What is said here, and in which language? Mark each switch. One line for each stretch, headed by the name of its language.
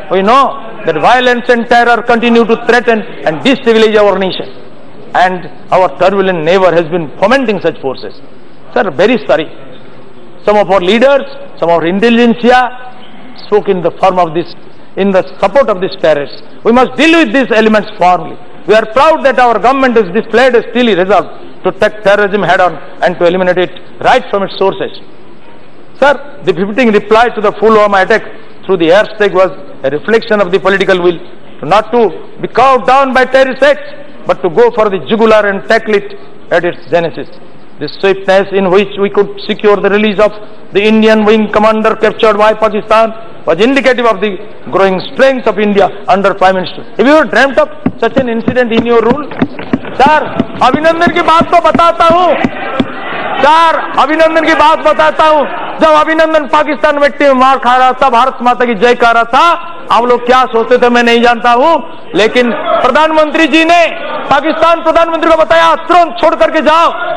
English: We know that violence and terror continue to threaten and destabilise our nation and our turbulent never has been fomenting such forces. Sir very sorry, some of our leaders, some of our intelligentsia spoke in the form of this, in the support of this terrors. We must deal with this elements formally. We are proud that our government is displayed steely resolve to take terrorism head on and to eliminate it right from its sources. Sir, the befitting reply to the Pulwama attack through the airstrike was a reflection of the political will not to be cowed down by terrorist acts, but to go for the jugular and tackle it at its genesis. The swiftness in which we could secure the release of the Indian wing commander captured by Pakistan was indicative of the growing strength of India under Prime Minister. Have you dreamt of such an incident in your rule?
Hindi: Sir अभिनंदन की बात तो बताता हूँ, sir अभिनंदन की बात बताता हूँ। जब अभिनंदन पाकिस्तान मिट्टी में मार खा रहा था, भारत माता की जय कर रहा था, आप लोग क्या सोचते थे मैं नहीं जानता हूँ, लेकिन प्रधानमंत्री जी ने पाकिस्तान प्रधानमंत्री को बताया तुरंत छोड़ करके जाओ।